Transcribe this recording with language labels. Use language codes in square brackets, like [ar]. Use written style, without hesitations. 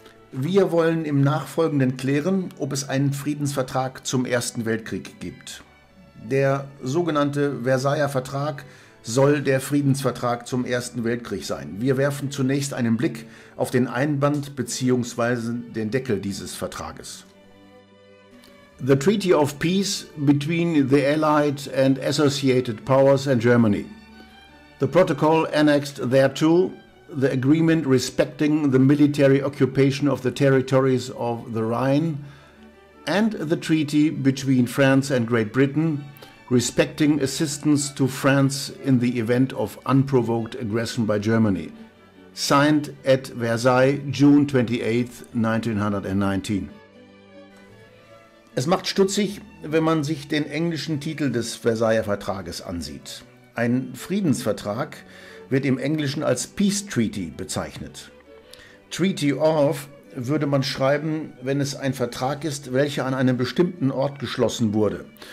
[de] Wir wollen im Nachfolgenden klären, ob es einen Friedensvertrag zum Ersten Weltkrieg gibt. Der sogenannte Versailler Vertrag soll der Friedensvertrag zum Ersten Weltkrieg sein. Wir werfen zunächst einen Blick auf den Einband bzw. den Deckel dieses Vertrages. [en] The Treaty of Peace between the Allied and Associated Powers and Germany. The Protocol annexed thereto, the agreement respecting the military occupation of the territories of the Rhine, and the treaty between France and Great Britain respecting assistance to France in the event of unprovoked aggression by Germany, signed at Versailles, June 28, 1919. [de] Es macht stutzig, wenn man sich den englischen Titel des Versailler Vertrages ansieht. Ein Friedensvertrag wird im Englischen als Peace Treaty bezeichnet. Treaty of würde man schreiben, wenn es ein Vertrag ist, welcher an einem bestimmten Ort geschlossen wurde.